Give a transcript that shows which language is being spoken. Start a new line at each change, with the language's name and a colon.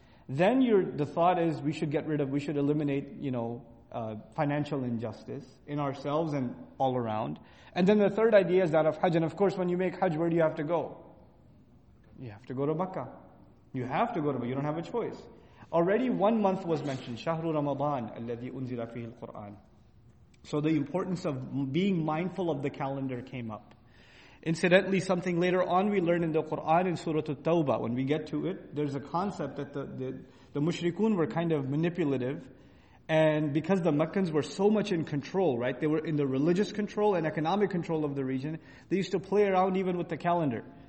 English: Then the thought is we should eliminate, you know, financial injustice in ourselves and all around. And then the third idea is that of Hajj. And of course, when you make Hajj, where do you have to go? You have to go to Makkah. You have to go to Makkah. You don't have a choice. Already 1 month was mentioned.
Arabic: شهر رمضان الذي أنزل فيه القرآن.
English: So the importance of being mindful of the calendar came up. Incidentally, something later on we learn in the Qur'an in Surah At-Tawbah, when we get to it, there's a concept that the mushrikun were kind of manipulative, and because the Meccans were so much in control, right, they were in the religious control and economic control of the region, they used to play around even with the calendar.